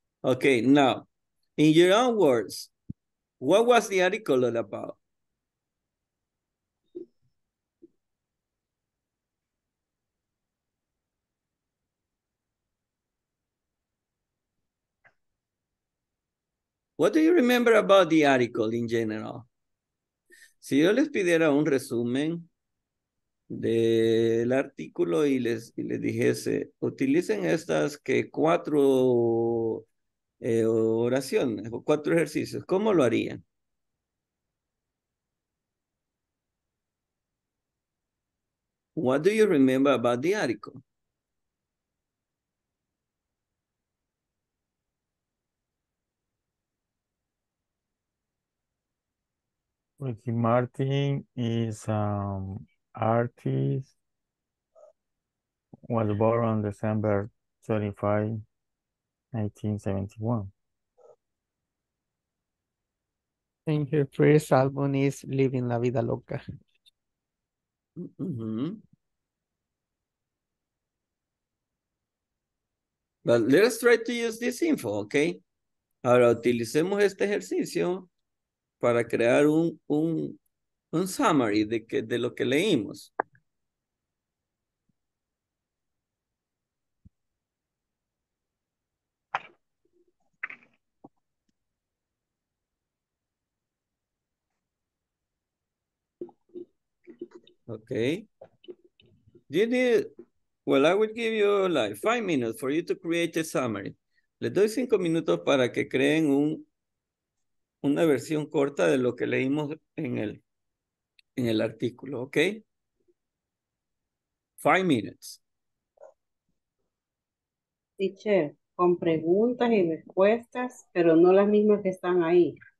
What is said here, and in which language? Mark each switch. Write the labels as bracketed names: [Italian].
[English] Okay, now, in your own words, what was the article about? What do you remember about the article in general? [Spanish] Si yo les pidiera un resumen del artículo y les dijese, utilicen estas que cuatro oraciones, cuatro ejercicios, ¿cómo lo harían? [English] What do you remember about the article? Ricky Martin is an artist, was born on December 25, 1971. And her first album is Living La Vida Loca. Mm-hmm. But let us try to use this info, okay? [Spanish] Ahora utilicemos este ejercicio para crear un summary de lo que leímos. [English] Okay. I will give you like 5 minutes for you to create a summary. [Spanish] Les doy 5 minutos para que creen una versión corta de lo que leímos en el artículo, ¿okay? [English] 5 minutes. [Spanish] Teacher, con preguntas y respuestas, pero no las mismas que están ahí.